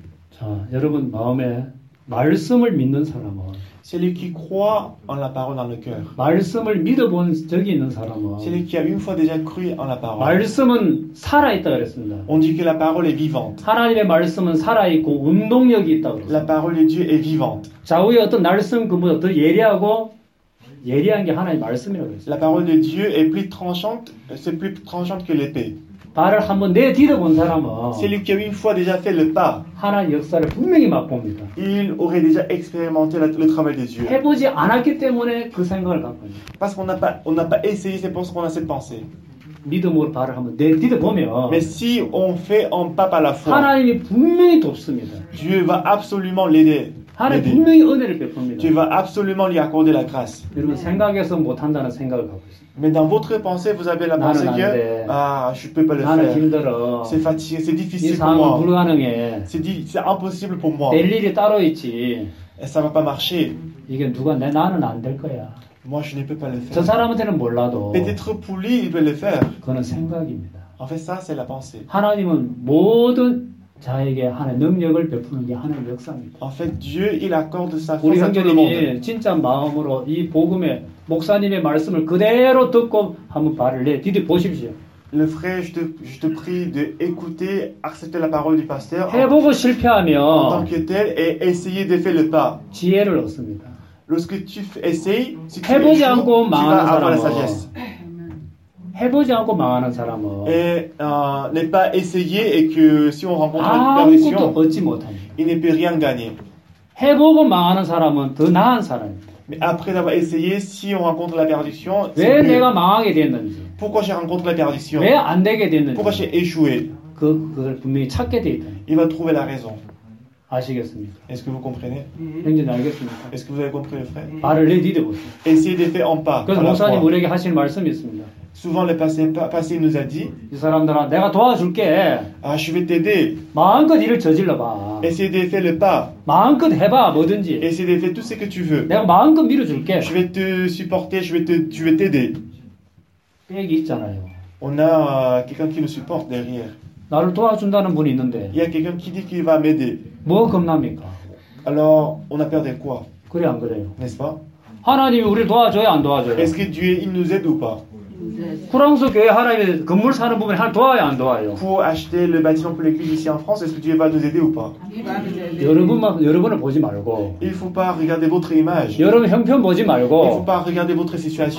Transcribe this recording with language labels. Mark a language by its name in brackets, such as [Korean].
[Korean] 자, 여러분 마음에 말씀을 믿는 사람은 [French] Celui qui croit en la parole dans le cœur. [Korean] 말씀을 믿어본 적이 있는 사람은. [French] Celui qui a une fois déjà cru en la parole. [Korean] 말씀은 살아있다 그랬습니다. [French] On dit que la parole est vivante. [Korean] 하나님의 말씀은 살아있고 운동력이 있다 그랬습니다. [French] La parole de Dieu est vivante. [Korean] 좌우의 어떤 말씀 그보다 더 예리하고 예리한 게 하나님의 말씀이라고 했어요. [French] La parole de Dieu est plus tranchante, c'est plus tranchante que l'épée. [Korean] 발을 한번 내디뎌본 사람은 [French] Celui qui a une fois déjà fait le pas [Korean] 하나님의 역사를 분명히 맛봅니다. [French] Il aurait déjà expérimenté le travail de Dieu. [Korean] 해보지 않았기 때문에 그 생각을 갖고 [French] Parce qu'on n'a pas essayé, c'est pour ça qu'on a cette pensée. [Korean] 믿음으로 발을 한번 내딛어 보면. [French] Mais si on fait un pas par la foi. [Korean] 하나님이 분명히 돕습니다. [French] Dieu va absolument l'aider. [Korean] 하나님 분명히 은혜를 베풉니다. [French] Dieu va absolument lui accorder la grâce. [Korean] 여러분 생각해서 못 한다는 생각을 갖고 있어요. [French] Mais dans votre pensée, vous avez la pensée que ah, je ne peux pas le faire. [Korean] 힘들어. [French] C'est fatigué, c'est difficile pour moi. [Korean] 불가능해. [French] C'est impossible pour moi. [Korean] 될 일이 따로 있지. [French] Et ça ne va pas marcher. [Korean] 이게 누가 내 나는 안 될 거야. [French] Moi, je ne peux pas le faire. [Korean] 저 사람한테는 몰라도. [French] Peut-être pour lui, il peut le faire. [Korean] 그건 생각입니다. [French] En fait, ça, c'est la pensée. [Korean] 하나님은 모든 자에게 하나님의 능력을 베푸는 게 하나님의 역사입니다. [French] En fait, Dieu, il accorde sa [Korean] force 우리 형제님이 진짜 마음으로 이 복음에 목사님의 말씀을 그대로 듣고 한번 발을 내 디디 보십시오. [French] Le frère, je te prie d'écouter, accepter la parole du pasteur. [Korean] 해보고 실패하면 [French] en tant que tel et essayer de faire le pas. [Korean] 지혜를 얻습니다. [French] Lorsque tu essayes, si tu échoues, tu vas avoir [Korean] 사람은. [French] La sagesse. [Korean] 해보지 않고 망하는 사람은 [French] n'a pas essayé et que si on rencontre une perdition, il ne peut rien gagner. [Korean] 해보고 망하는 사람은 더 나은 사람이. [French] Mais après avoir essayé, si on rencontre la perdition, [Korean] 왜 [French] c'est [Korean] 내가 [French] mieux. [Korean] 망하게 됐는지. [French] Pourquoi j'ai rencontré la perdition? [Korean] 왜 안 되게 됐는지. [French] Pourquoi j'ai échoué? [Korean] 그걸 분명히 찾게 되다. [French] Il va trouver la raison. [Korean] 아시겠습니까? [French] Est-ce que vous comprenez? [Korean] 형제님 알겠습니다. [French] Est-ce que vous avez compris, frère? [Korean] 발을 내딛어 보세요. [French] Essayez de faire un pas. [Korean] 그 목사님 우리에게 하신 말씀이 있습니다. [French] Souvent le passé nous a dit. [Korean] 이 사람들아, 내가 도와줄게. [French] Je vais t'aider. [Korean] 마음껏 일을 저질러봐. [French] Essaye de faire le pas. [Korean] 마음껏 해봐, 뭐든지. [French] Essaye de faire tout ce que tu veux. [Korean] 내가 마음껏 밀어줄게. [French] Je vais te supporter. Je vais t'aider. [Korean] 백이 있잖아요. [French] On a quelqu'un qui nous supporte derrière. [Korean] 나를 도와준다는 분이 있는데. [French] Il y a quelqu'un qui dit qu'il va m'aider. [Korean] 뭐 겁납니까? [French] Alors on a perdu quoi? [Korean] 그래 안 그래요? [French] N'est-ce pas? [Korean] 하나님이 우리 도와줘요, 안 도와줘요? [French] Est-ce que Dieu il nous aide ou pas? [Korean] 프랑스 교회 하나님 건물 사는 부분에 하나 도와요 안 도와요? [French] Pour acheter le bâtiment pour l'église ici en France, est-ce que Dieu va nous aider ou pas? [Korean] 여러분을 보지 말고. [French] Il faut pas regarder votre image. [Korean] 여러분 형편 보지 말고. [French] Il faut pas regarder votre situation.